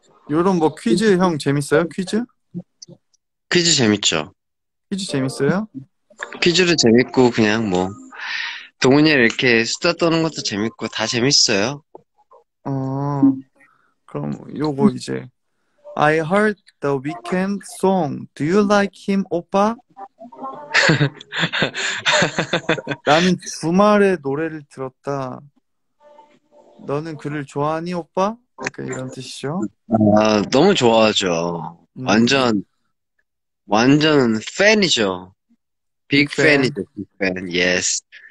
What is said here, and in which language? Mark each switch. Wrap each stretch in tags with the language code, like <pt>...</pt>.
<ko>요런 뭐 퀴즈 형 재밌어요? 퀴즈? 퀴즈 재밌죠? 퀴즈 재밌어요? 퀴즈도 재밌고, 그냥 뭐, 동훈이 이렇게 수다 떠는 것도 재밌고, 다 재밌어요. 그럼 요거 이제</ko> <en>I heard the weekend song. Do you like him, 오빠?</en> <ko>나는 주말에 노래를 들었다. 너는 그를 좋아하니, 오빠? 그러니까 이런 뜻이죠. 아, 너무 좋아하죠. 완전 팬이죠.</ko> <en>Big fan. Big fan. Yes.</en>